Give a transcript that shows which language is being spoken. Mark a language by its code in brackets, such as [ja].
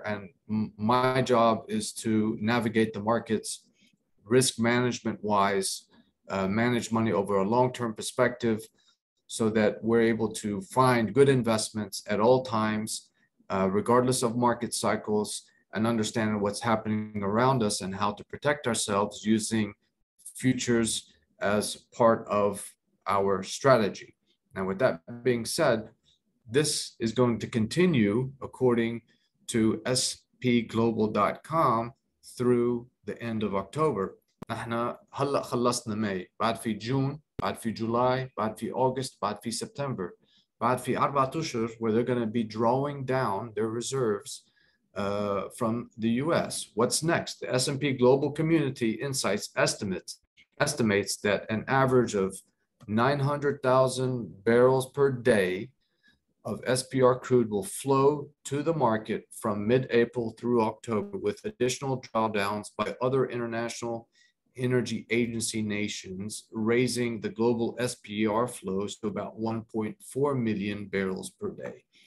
[en] And my job is to navigate the markets risk management wise, manage money over a long-term perspective so that we're able to find good investments at all times, regardless of market cycles, and understand what's happening around us and how to protect ourselves using futures as part of our strategy. Now, with that being said, this is going to continue according to spglobal.com through the end of October. [ar] نحن هلا خلصنا ماي بعد في جون بعد في جولاي بعد في اوغست بعد في سبتمبر بعد في اربع اشهر [en] where they're going to be drawing down their reserves from the US. What's next? The S&P Global Community Insights estimates that an average of 900,000 barrels per day of SPR crude will flow to the market from mid-April through October, with additional drawdowns by other international energy agency nations, raising the global SPR flows to about 1.4 million barrels per day.